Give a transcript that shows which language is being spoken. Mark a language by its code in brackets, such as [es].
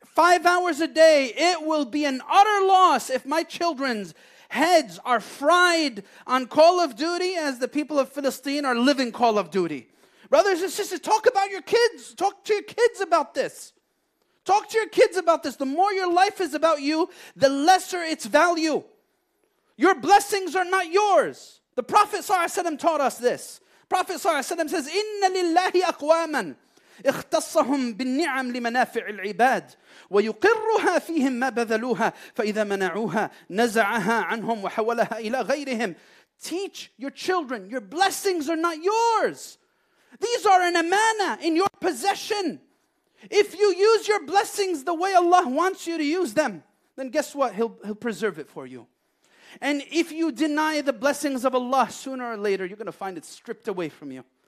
[en] 5 hours a day, it will be an utter loss if my children's heads are fried on Call of Duty as the people of Palestine are living Call of Duty. Brothers and sisters, talk about your kids. Talk to your kids about this. Talk to your kids about this. The more your life is about you, the lesser its value. Your blessings are not yours. The Prophet ﷺ taught us this. Prophet ﷺ says, [ar] إِنَّ لِلَّهِ أَقْوَامًا اِخْتَصَّهُمْ بِالنِّعَمْ لِمَنَافِعِ الْعِبَادِ وَيُقِرُّهَا فِيهِمْ مَا بَذَلُوهَا فَإِذَا مَنَعُوهَا نَزَعَهَا عَنْهُمْ وَحَوَلَهَا إِلَىٰ غَيْرِهِمْ [en] Teach your children. Your blessings are not yours. These are an amana in your possession. If you use your blessings the way Allah wants you to use them, then guess what? He'll preserve it for you. And if you deny the blessings of Allah sooner or later, you're going to find it stripped away from you.